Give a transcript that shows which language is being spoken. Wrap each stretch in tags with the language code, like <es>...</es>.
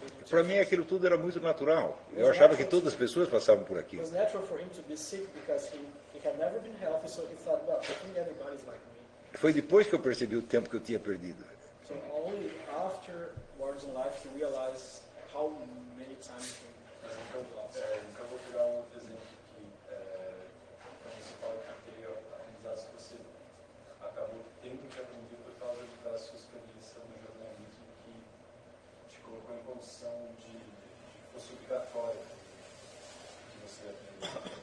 <pt>para mim, aquilo tudo era muito natural. Eu achava que todas as pessoas passavam por aquilo.</pt> <en>It was natural for him to be sick because he had never been healthy, so he thought, well, I think everybody's like me.</en> <pt>Foi depois que eu percebi o tempo que eu tinha perdido.</pt> <en>So only afterwards in life you realize how many times you have been lost.</en> <pt>Então vou tirar um exemplo que a gente fala que teve aprendizados que você acabou tendo que aprender por causa da sua experiência no jornalismo, que te colocou em condição de fosse obrigatório que você aprendesse.</pt>